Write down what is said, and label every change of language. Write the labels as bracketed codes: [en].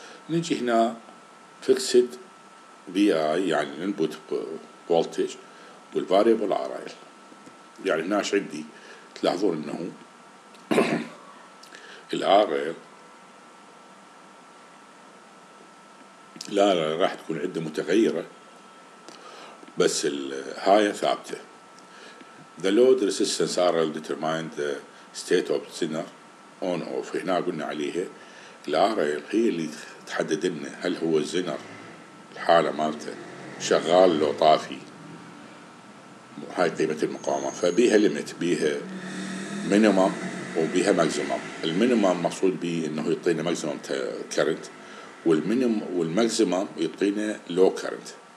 [ar] نجي هنا فيكسد بي اي يعني الانبوت فولتج والفاريبل ار ال، يعني هنا ايش عندي؟ تلاحظون انه الار ال لا لا راح تكون عدة متغيرة بس الهاية ثابتة. [en] The load resistance RL determine the state of the sinner on off. [ar] هنا قلنا عليها الRL هي اللي تحدد لنا هل هو الزينر الحالة مالته شغال لو طافي، هاي قيمة المقاومة. فبيها limit، بيها minimum وبيها maximum. المينيمم مقصود به انه يعطينا ماكسيمم كرنت، والمينيمم والماكسيمم يعطينا لو كرنت.